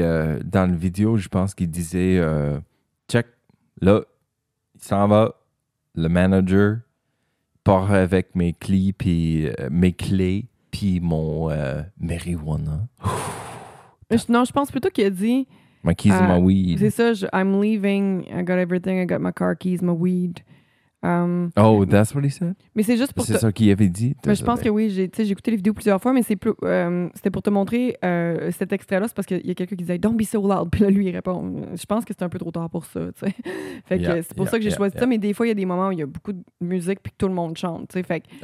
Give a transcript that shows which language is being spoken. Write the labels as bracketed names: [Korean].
[French] dans la vidéo, je pense qu'il disait... check, là, il s'en va. Le manager part avec mes clés, puis mon marijuana. Non, je pense plutôt qu'il a dit... [English] My keys and my weed. [French] C'est ça, [English] I'm leaving, I got everything, I got my car keys, my weed. Oh, that's what he said? [French] Mais c'est juste pour c'est ça qu'il avait dit? Mais je pense que oui, j'ai écouté les vidéos plusieurs fois, mais c'était pour te montrer cet extrait-là, c'est parce qu'il y a quelqu'un qui disait « [English] Don't be so loud [French] », puis là, lui, il répond « Je pense que c'est un peu trop tard pour ça, tu sais. » Fait que c'est pour ça que j'ai choisi ça, mais des fois, il y a des moments où il y a beaucoup de musique puis que tout le monde chante, tu sais, fait que...